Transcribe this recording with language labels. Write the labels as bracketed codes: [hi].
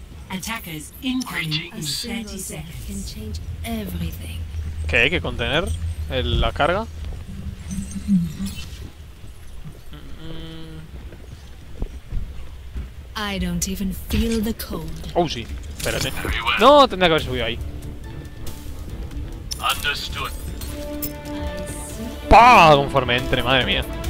[en] Attackers in 30 seconds can change everything. [es] ¿Qué hay que contener la carga? [en] I don't even feel the cold. [es] Oh, sí. Espérate. No, tendría que haber subido ahí. [en] Understood. ¡Pah! [es] Conforme entre, madre mía.